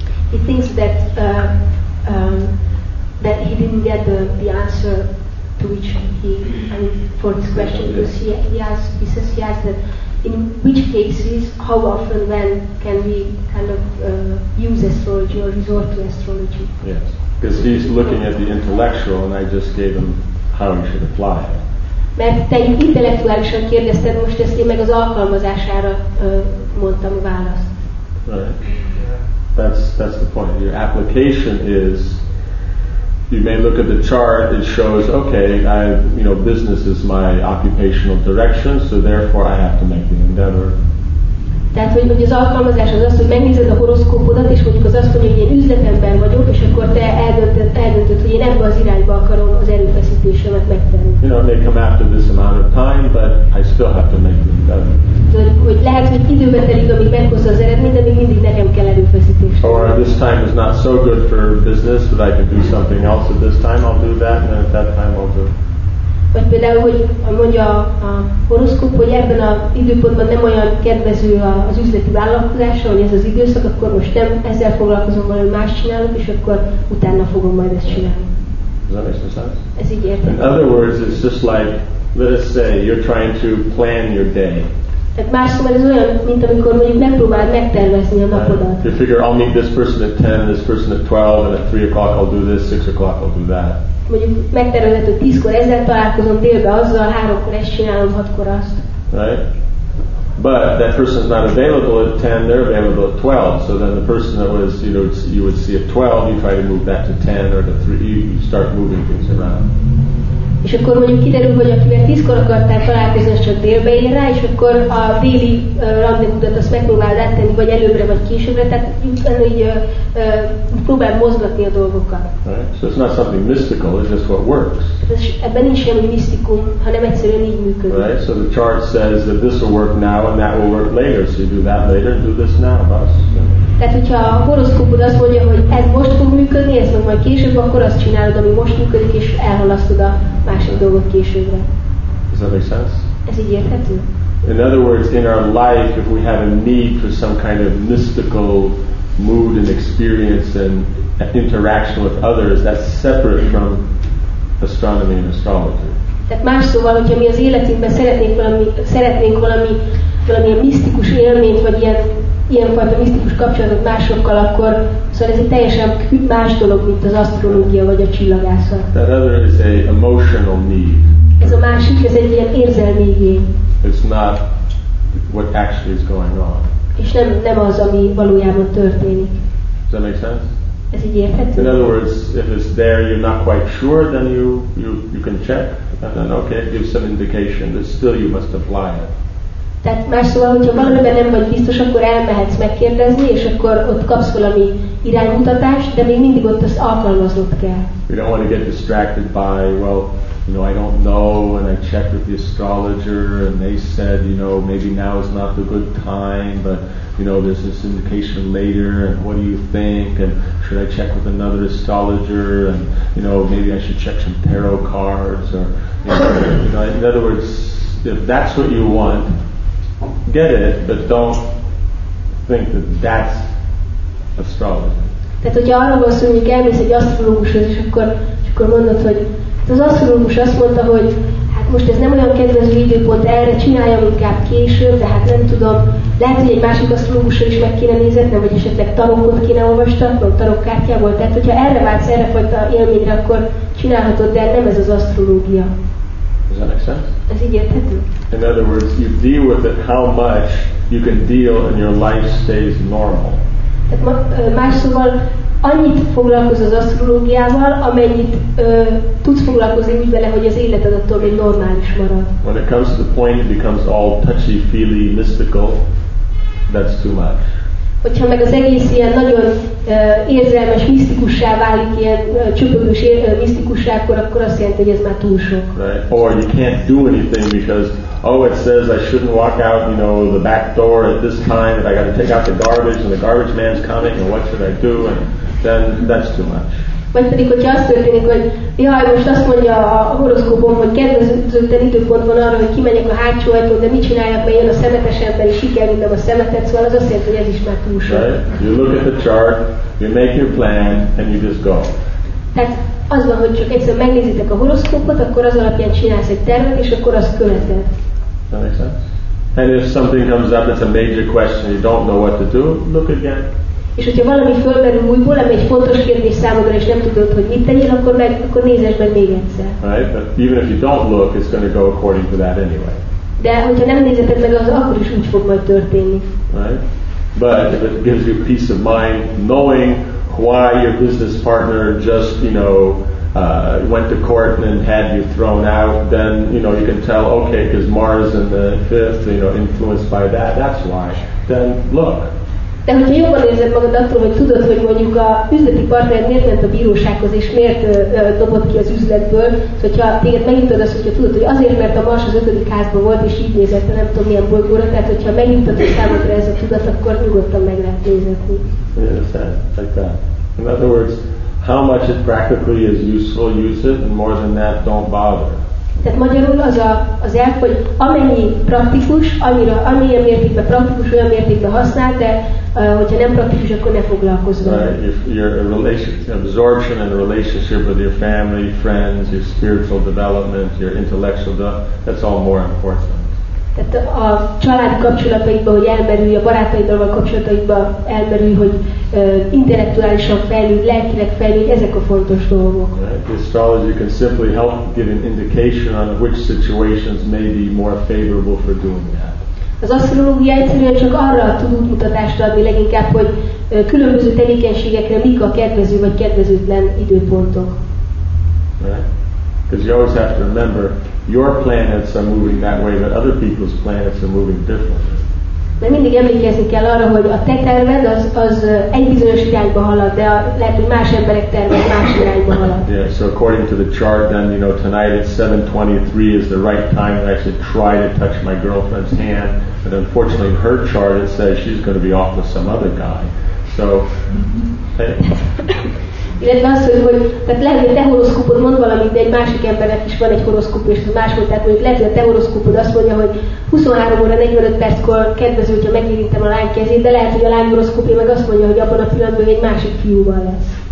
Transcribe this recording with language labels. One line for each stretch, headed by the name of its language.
English: He thinks that that he didn't get the answer to which for this question, because he says he asked that in which cases, how often, when can we kind of use astrology or resort to astrology? Yes, because he's looking at the intellectual, and I just gave him how he should apply it.
Hungarian: Mert te intellektuálisan kérdezted, most ezt én meg az alkalmazására mondtam a választ.
English: That's the point. Your application is, you may look at the chart, it shows, okay, business is my occupational direction, so therefore I have to make the endeavor.
Hungarian: Tehát, hogy az alkalmazás az az, hogy megnézed a horoszkópodat, és mondjuk az azt mondja, hogy én üzletemben vagyok, és akkor te eldöntöd, hogy én ebbe az irányba akarom az erőfeszítésemet megtenni.
English: You know, it may come after this amount of time, but I still have to make the endeavor.
Hungarian: Hogy lehet, hogy időbe telik, amíg meghozza az eredményt, de még mindig nekem kell erőfeszítésre.
English: Or this time is is not so good for business, but I could do something else at this time, I'll do that, and at that time I'll do it.
Hungarian: Vagy például, hogy mondja a horoszkóp, hogy ebben az időpontban nem olyan kedvező az üzleti vállalkozása, hogy ez az időszak, akkor most nem ezzel foglalkozom, hanem más csinálok, és akkor utána fogom majd ezt csinálni.
English: Does that make sense?
Hungarian: Ez így érti.
English: In other words, it's just like, let us say, you're trying to plan your day.
Hungarian: Tehát más szóval ez olyan, mint amikor mondjuk megpróbáld megtervezni a napodat.
English: You figure, I'll meet this person at 10, this person at 12, and at 3 o'clock I'll do this, 6 o'clock I'll do that.
Hungarian: Mondjuk megtervezett, hogy 10-kor ezzel találkozom, délbe azzal, 3-kor ezt csinálom, 6-kor azt.
English: Right? But that person's not available at 10, they're available at 12. So then the person that was, you know, you would see at 12, you try to move back to 10 or to 3, you start moving things around.
Hungarian: És akkor mondjuk kiderül, hogy akivel 10-kor akartál találkozni, az csak délbe ér rá, és akkor a déli randevúdat azt megpróbáld áttenni, vagy előbbre, vagy későbbre, tehát így próbáld mozgatni a dolgokat.
English: Right. So it's not something mystical, it's just what works.
Hungarian: Ebben nincs semmi misztikum, hanem egyszerűen így működik.
English: Right, so the chart says that this will work now, and that will work later, so you do that later, do this now, thus.
Hungarian: Tehát, hogyha a horoszkópod azt mondja, hogy ez most fog működni, ez meg majd később, akkor azt csinálod, ami most működik, és elhalasztod a másik dolgot későbbre.
English: Does that make sense?
Hungarian: Ez így érthető?
English: In other words, in our life, if we have a need for some kind of mystical mood and experience and interaction with others, that's separate from astronomy and astrology.
Hungarian: Tehát más szóval, hogyha mi az életünkben szeretnénk valamilyen misztikus élményt, vagy ilyenfajta misztikus kapcsolatot másokkal, akkor szóval ez egy teljesen más dolog, mint az asztrológia vagy a csillagászat.
English: That other is a emotional need.
Hungarian: Ez a másik, ez egy ilyen érzelmi igény.
English: It's not what actually is going on.
Hungarian: És nem az, ami valójában történik.
English: Does that make sense?
Hungarian: Ez így érthető?
English: In other words, if it's there, you're not quite sure, then you can check, and then okay, it gives some indication, but still you must apply it.
Hungarian: Tehát más szóval, hogyha valamiben nem vagy biztos, akkor elmehetsz megkérdezni, és akkor ott kapsz valami iránymutatást, de még mindig ott azt alkalmaznod kell.
English: We don't want to get distracted by, well, you know, I don't know, and I checked with the astrologer, and they said, you know, maybe now is not the good time, but, you know, there's this indication later, and what do you think, and should I check with another astrologer, and, you know, maybe I should check some tarot cards, or, you know, in other words, if that's what you want, get it, but don't think that that's astrology.
Hungarian: Tehát, hogyha arra van szó, hogy elmész egy asztrológushoz, és akkor mondod, hogy az asztrológus azt mondta, hogy hát most ez nem olyan kedvező időpont, erre csináljam inkább később, de hát nem tudom, lehet, hogy egy másik asztrológusra is meg kéne nézetni, vagy esetleg tarokot kéne olvastatni, vagy tarokkártyából. Tehát, hogyha erre vársz, erre fajta élményre, akkor csinálhatod, de nem ez az asztrológia.
English: Does that make sense?
Hungarian: Ez így érthető.
English: In other words, you deal with it how much you can deal and your life stays normal.
Hungarian: Más szóval annyit foglalkoz az asztrológiával, amennyit tudsz foglalkozni úgy vele, hogy az életed attól még normális marad.
English: When it comes to the point it becomes all touchy-feely, mystical, that's too much.
Hungarian: Hogyha meg az egész ilyen nagyon érzelmes, misztikussá válik, ilyen csöpögős misztikussá, akkor azt jelenti, hogy ez már túl sok.
English: Right. Or you can't do anything because oh, it says I shouldn't walk out, you know, the back door at this time, and I got to take out the garbage, and the garbage man's coming, and what should I do? And then that's too much.
Hungarian: Vagy pedig, hogyha azt történik, hogy jaj, most azt mondja a horoszkópom, hogy kedvezőtlen időpont van arra, hogy kimegyek a hátsó ajtón, de mit csináljak, mert jön a szemetes ember, és kikerültem a szemetet, szóval az azt jelenti, hogy ez is már túl sok.
English: Right? You look at the chart, you make your plan, and you just go.
Hungarian: Tehát az van, hogy csak egyszer megnézitek a horoszkópot, akkor az alapján csinálsz egy tervet, és akkor azt követed.
English: And if something comes up that's a major question, you don't know what to do, look again.
Hungarian: És hogyha valami fölmerül újból, ami egy fontos kérdés számodra, és nem tudod, hogy mit tegyél, akkor nézzed meg még egyszer.
English: Right, but even if you don't look, it's going to go according to that anyway.
Hungarian: De hogyha nem nézeted meg, az akkor is úgy fog majd történni.
English: Right, but if it gives you peace of mind, knowing why your business partner just, you know, went to court and had you thrown out, then you know you can tell, okay, because Mars in the fifth, you know, influenced by that, that's why. Then look.
Hungarian: De hogyha jobban érzed magad attól, hogy tudod, hogy mondjuk a üzleti partnered miért ment a bírósághoz, és miért dobott ki az üzletből, szóval, hogyha téged megnyitod azt, hogyha tudod, hogy azért, mert a Mars az ötödik házban volt, és így nézett, nem tudom milyen bolygóra, tehát hogyha megnyitod a számodra ez a tudat, akkor nyugodtan meg lehet nézetni.
English: Yes, like that. In other words, how much it practically is useful, use it, and more than that, don't bother.
Hungarian: Tehát magyarul az a, az elv, hogy amennyi praktikus, annyira, amilyen mértékben praktikus, olyan mértékben használ, de hogyha nem praktikus, akkor ne foglalkozz vele.
English: Right. If your relationship, absorption and relationship with your family, friends, your spiritual development, your intellectual development, that's all more important.
Hungarian: Tehát a családi kapcsolataidban, hogy elmerülj, a barátaiddal való kapcsolataidban elmerülj, hogy intellektuálisan fejlődj, lelkileg fejlődj, ezek a fontos dolgok.
English: The astrology can simply help give an indication on which situations may be more favorable for doing that.
Hungarian: Az asztrológia egyszerűen csak arra tud útmutatást adni leginkább, hogy különböző tevékenységekre mik a kedvező vagy kedvezőtlen időpontok.
English: Because you always have to remember, your planets are moving that way, but other people's planets are moving differently.
Hungarian: De mindig emlékezni kell arra, hogy a te terved az, az egy bizonyos irányba halad, de a, lehet, hogy más emberek terve más irányba halad.
English: Yeah, so according to the chart, then, you know, tonight at 7:23 is the right time to actually try to touch my girlfriend's hand, but unfortunately in her chart it says she's going to be off with some other guy. So, hey.
Hungarian: Illetve azt, hogy tehát lehet, hogy te horoszkópod mond valamit, de egy másik embernek is van egy horoszkóp, és ez máshogy, tehát mondjuk lehet, hogy a te horoszkópod azt mondja, hogy 23 óra 45 perckor kedvező, hogyha megérintem a lány kezét, de lehet, hogy a lány horoszkópja meg azt mondja, hogy abban a pillanatban egy másik fiúval lesz.